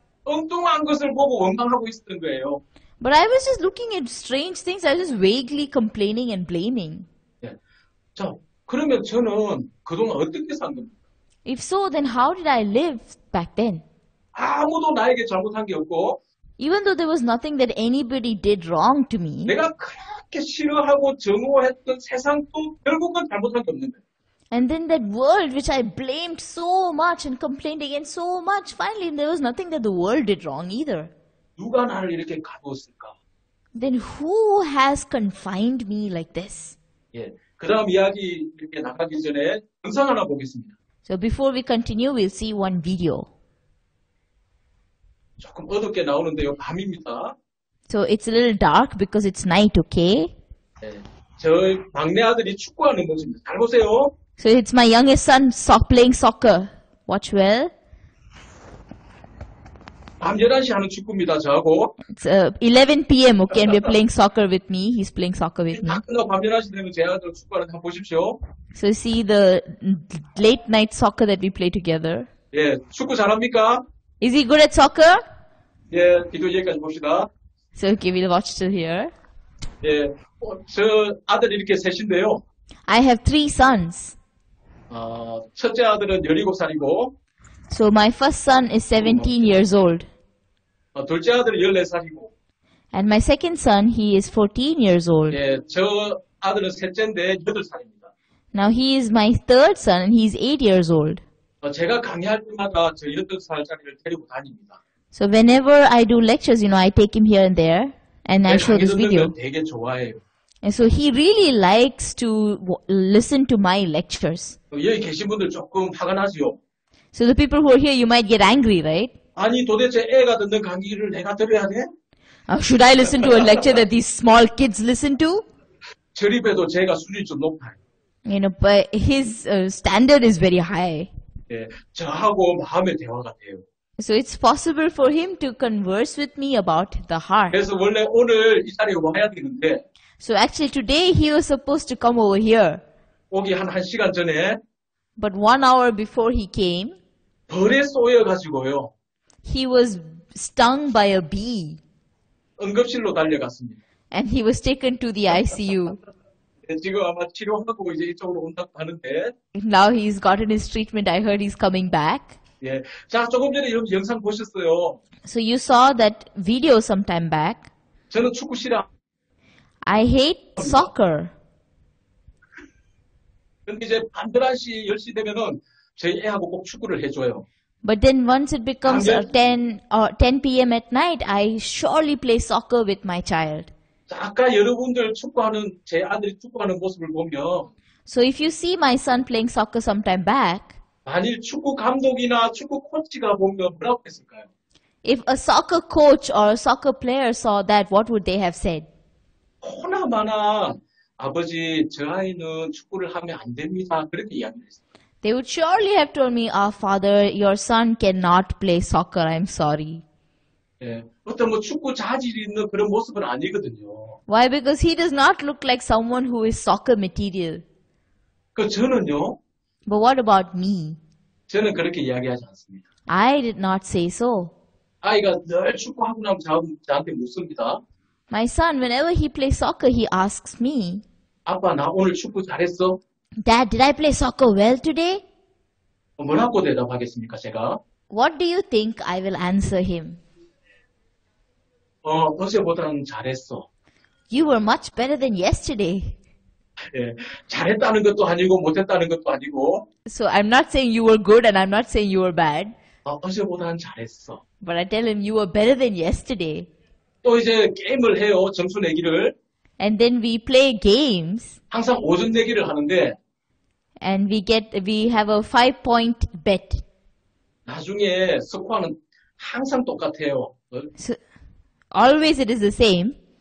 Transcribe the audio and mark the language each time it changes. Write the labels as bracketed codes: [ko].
[ko] 엉뚱한 것을 보고 원망하고 있었던 거예요. [en] But I was just looking at strange things. I was just vaguely complaining and blaming. [ko] 자, 그러면 저는 그동안 어떻게 산 겁니까? [en] If so, then how did I live back then? [ko] 아무도 나에게 잘못한 게 없고. [en] Even though there was nothing that anybody did wrong to me. [ko] 내가 그렇게 싫어하고 증오했던 세상도 결국은 잘못한 게 없는데. [en] And then that world which I blamed so much and complained against so much, finally there was nothing that the world did wrong either. [ko] 누가 나를 이렇게 가두었을까? [en] Then who has confined me like this? [ko] 예, 그 다음 이야기 이렇게 나가기 전에 영상 하나 보겠습니다. [en] So before we continue, we'll see one video. [ko] 조금 어둡게 나오는데요, 밤입니다. [en] So it's a little dark because it's night, okay? [ko] 예, 저희 막내 아들이 축구하는 모습입니다. 잘 보세요. [en] So it's my youngest son playing soccer. Watch well. [ko] 밤 11시 하는 축구입니다, 저하고. [en] It's 11 PM, okay, and we're playing soccer with me. He's playing soccer with me. [ko] 밤 11시 되면 제 아들 축구하는 거 한번 보십시오. [en] So see the late night soccer that we play together. [ko] 예, 축구 잘합니까? [en] Is he good at soccer? [ko] 예, 비디오 여기까지 봅시다. [en] So okay, we'll watch till here. [ko] 예, 저 아들 이렇게 셋인데요. [en] I have three sons. [ko] 첫째 아들은 17살이고. [en] So my first son is 17 years old. [ko] 둘째 아들은 14살이고. [en] And my second son, he is 14 years old. [ko] 예, 저 아들은 셋째인데 8살입니다. [en] Now he is my third son and he's 8 years old. [ko] 제가 강의할 때마다 저 8살짜리를 데리고 다닙니다. [en] So whenever I do lectures, you know, I take him here and there and I show this video. [ko] 되게 좋아해요. [en] And so he really likes to listen to my lectures. [ko] 여기 계신 분들 조금 화가 나지요. [en] So the people who are here, you might get angry, right? [ko] 아니 도대체 애가 듣는 강의를 내가 들어야 돼? [en] Should I listen to a lecture that these small kids listen to? [ko] 저립해도 제가 수준이 좀 높아요. [en] You know, but his standard is very high. [ko] 예, 저하고 마음의 대화가 돼요. [en] So it's possible for him to converse with me about the heart. [ko] 그래서 원래 오늘 이 자리에 와야 되는데. [en] So actually today he was supposed to come over here. [ko] 오기 한 시간 전에. [en] But 1 hour before he came. [ko] 벌에 쏘여가지고요. [en] He was stung by a bee. [ko] 응급실로 달려갔습니다. [en] And he was taken to the ICU. [ko] 지금 아마 치료하고 이제 이쪽으로 온다고 하는데. [en] Now he's gotten his treatment. I heard he's coming back. [ko] 예. 자, 조금 전에 여러분 영상 보셨어요. [en] So you saw that video sometime back. [ko] 저는 축구 싫어. [en] I hate soccer. [ko] 근데 이제 밤 11시, 10시 되면은 저희 애하고 꼭 축구를 해줘요. [en] But then once it becomes 10 PM at night, I surely play soccer with my child. [ko] 아까 여러분들 축구하는 제 아들이 축구하는 모습을 보면. [en] So if you see my son playing soccer sometime back. [ko] 만일 축구 감독이나 축구 코치가 보면 뭐라고 했을까요? [en] If a soccer coach or a soccer player saw that, what would they have said? [ko] 코나 마나 아버지 저 아이는 축구를 하면 안 됩니다. 그렇게 이야기했어요. [en] They would surely have told me, "Our father, your son cannot play soccer. I'm sorry." [ko] 예, 어떤 뭐 축구 자질이 있는 그런 모습은 아니거든요. [en] Why? Because he does not look like someone who is soccer material. [ko] 그 저는요. [en] But what about me? [ko] 저는 그렇게 이야기하지 않습니다. [en] I did not say so. [ko] 아이가 늘 축구하고 나면 저한테 묻습니다. [en] My son, whenever he plays soccer, he asks me, [ko] 아빠, 나 오늘 축구 잘했어? [en] Dad, did I play soccer well today? [ko] 뭐라고 대답하겠습니까, 제가? [en] What do you think I will answer him? [ko] 어제보다는 잘했어. [en] You were much better than yesterday. [ko] 예, 잘했다는 것도 아니고 못했다는 것도 아니고. [en] So I'm not saying you were good and I'm not saying you were bad. [ko] 어제보다는 잘했어. [en] But I tell him you were better than yesterday. [ko] 또 이제 게임을 해요, 점수 내기를. [en] And then we play games. [ko] 항상 5점 내기를 하는데. [en] And we have a 5-point bet. [ko] 나중에 스코어는 항상 똑같아요. [en] So, always it is the same.